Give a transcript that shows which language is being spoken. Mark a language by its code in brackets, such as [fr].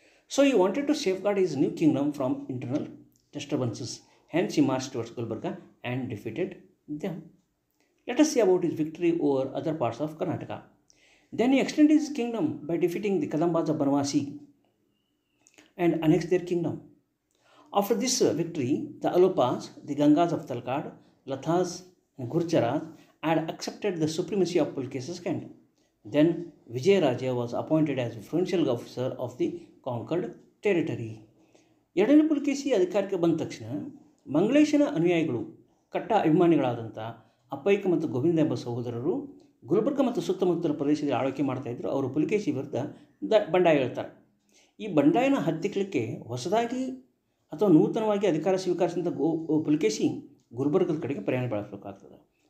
[en] So he wanted to safeguard his new kingdom from internal disturbances. Hence he march towards Gulbarga and defeated them. Let us see about his victory over other parts of Karnataka. Then extend his kingdom by defeating the Kadambas Banavasi and annex their kingdom. After this victory, the Alupas, the Gangas of Talkad, Lathas and Gurjaras had accepted the supremacy of Pulkesa's kingdom. Then Vijayaraja was appointed as provincial officer of the conquered territory. [kn] ಎರಡನೇ ಪುಲ್ಕೇಶಿ ಅಧಿಕಾರಕ್ಕೆ ಬಂದ ತಕ್ಷಣ ಮಂಗಳೇಶನ ಅನುಯಾಯಿಗಳು ಕಟ್ಟ ಅಭಿಮಾನಿಗಳಾದಂಥ ಅಪ್ಪೈಕ ಮತ್ತು ಗೋವಿಂದ ಎಂಬ ಸಹೋದರರು ಗುಲ್ಬರ್ಗ ಮತ್ತು ಸುತ್ತಮುತ್ತಲ ಪ್ರದೇಶದಲ್ಲಿ ಆಳ್ವಿಕೆ ಮಾಡ್ತಾಯಿದ್ರು. ಅವರು ಪುಲ್ಕೇಶಿ ವಿರುದ್ಧ ಬಂಡಾಯ ಹೇಳ್ತಾರೆ. ಈ ಬಂಡಾಯನ ಹತ್ತಿಕ್ಕಲಿಕ್ಕೆ ಹೊಸದಾಗಿ ಅಥವಾ ನೂತನವಾಗಿ ಅಧಿಕಾರ ಸ್ವೀಕರಿಸಿದಂಥ ಪುಲ್ಕೇಶಿ ಗುಲ್ಬರ್ಗದ ಕಡೆಗೆ ಪ್ರಯಾಣ ಬೆಳೆಸಬೇಕಾಗ್ತದೆ.